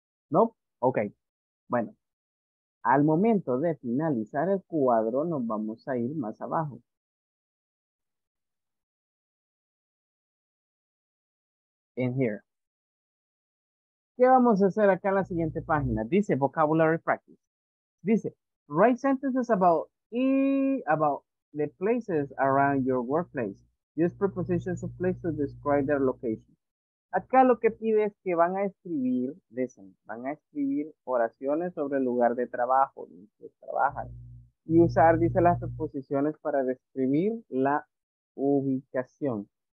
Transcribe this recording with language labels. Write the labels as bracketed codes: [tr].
[es] ¿No? Ok. Bueno. Al momento de finalizar el cuadro, nos vamos a ir más abajo. [en] In here. [es] ¿Qué vamos a hacer acá en la siguiente página? [en] Dice vocabulary practice. Dice, write sentences about the places around your workplace. Use prepositions of place to describe their location. [es] Acá lo que pide es que van a escribir, listen, van a escribir oraciones sobre el lugar de trabajo donde trabajan. Y usar, dice, las preposiciones para describir la ubicación.